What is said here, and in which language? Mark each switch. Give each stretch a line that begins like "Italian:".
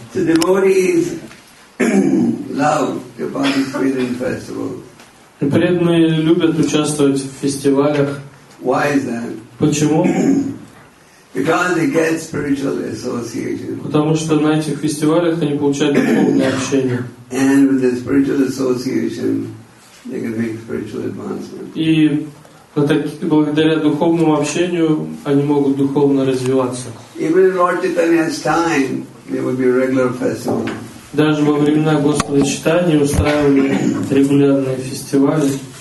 English: The devotees love the Bali Sweden Festival.
Russian: Преданные любят участвовать в фестивалях.
English: Why is that?
Russian: Почему?
English: Because they get spiritual association.
Russian: Потому что на этих фестивалях они получают духовное общение.
English: And with the spiritual association, they can make spiritual advancement.
Russian: И благодаря духовному общению они могут духовно развиваться.
English: Even in Lord Chaitanya's time, there would be a regular festival.
Russian: Даже во времена Господа Читания устраивали регулярные фестивали.